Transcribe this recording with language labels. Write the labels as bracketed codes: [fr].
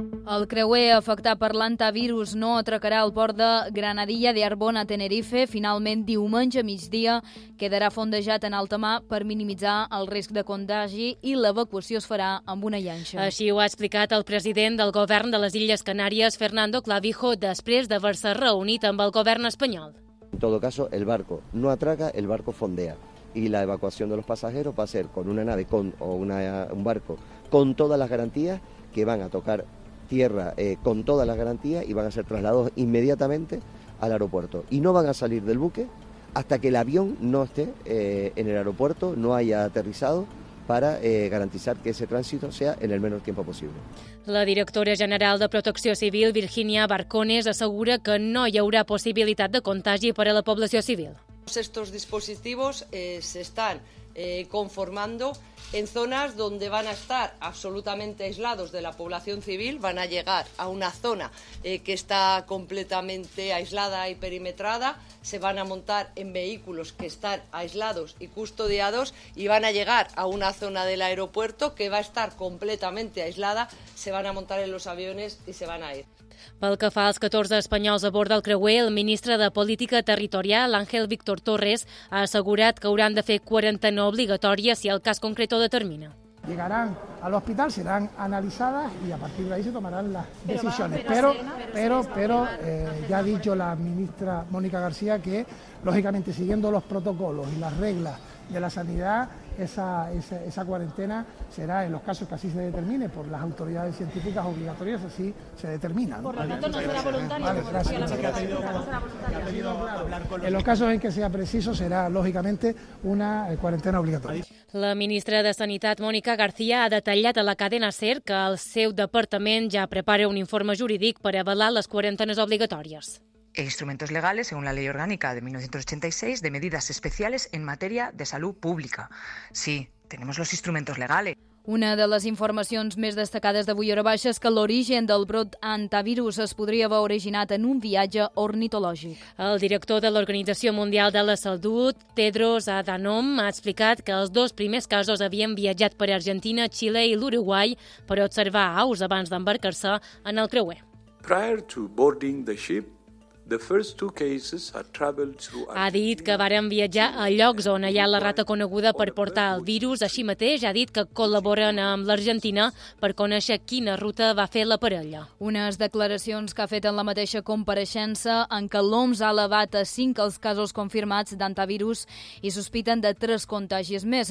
[ca] El creuer afectat per l'antivirus no atracarà el port de Granadilla de Arbon a Tenerife. Finalment, diumenge a migdia, quedarà fondejat en alta mar per minimitzar el risc de contagi i l'evacuació es farà amb una llanxa. Així ho ha explicat el president del govern de les Illes Canàries, Fernando Clavijo, després d'haver-se reunit amb el govern espanyol. [es] En todo caso, el barco no atraca, el barco fondea. Y la evacuación de los pasajeros va a ser con una nave un barco con todas las garantías que van a tocar tierra con todas las garantías y van a ser trasladados inmediatamente al aeropuerto. Y no van a salir del buque hasta que el avión no esté en el aeropuerto, no haya aterrizado, para garantizar que ese tránsito sea en el menor tiempo posible. [ca] La directora general de Protecció Civil, Virginia Barcones, assegura que no hi haurà possibilitat de contagi per a la població civil. [es] Estos dispositivos se están conformando en zonas donde van a estar absolutamente aislados de la población civil, van a llegar a una zona que está completamente aislada y perimetrada, se van a montar en vehículos que están aislados y custodiados y van a llegar a una zona del aeropuerto que va a estar completamente aislada, se van a montar en los aviones y se van a ir. [ca] Pel que fa als 14 espanyols a bord del creuer, el ministre de Política Territorial, Ángel Víctor Torres, ha assegurat que hauran de fer quarantena obligatòria si el cas concret ho determina. [es] Llegaran a l'hospital, seran analitzades i a partir d'ahí se tomaran les decisions. [ca] Però, ja ha dit la ministra Mónica García que, lògicament, [es] siguiendo los protocolos y las reglas de la sanidad, esa cuarentena será en los casos que así se determine por las autoridades científicas obligatorias, así se determina. Por lo tanto, no será voluntaria, como decía la ministra. En los casos en que sea preciso, será lógicamente una cuarentena obligatoria. [ca] La ministra de Sanitat, Mònica García, ha detallat a la cadena SER que el seu departament ja prepara un informe jurídic per avalar les quarantenes obligatòries. [es] E instrumentos legales según la Ley Orgánica de 1986 de medidas especiales en materia de salud pública. Sí, tenemos los instrumentos legales. [ca] Una de les informacions més destacades d'avui Hora Baixa és que l'origen del brot antivirus es podria haver originat en un viatge ornitològic. El director de l'Organització Mundial de la Salut, Tedros Adhanom, ha explicat que els dos primers casos havien viatjat per Argentina, Xile i l'Uruguai per observar aus abans d'embarcar-se en el creuer. [en] Prior to boarding the ship, [ca] Ha dit que varen viatjar a llocs on hi ha la rata coneguda per portar el virus. Així mateix ha dit que col·laboren amb l'Argentina per conèixer quina ruta va fer la parella. Unes declaracions que ha fet en la mateixa compareixença en què l'OMS ha elevat a 5 els casos confirmats d'antivirus i sospiten de 3 contagis més.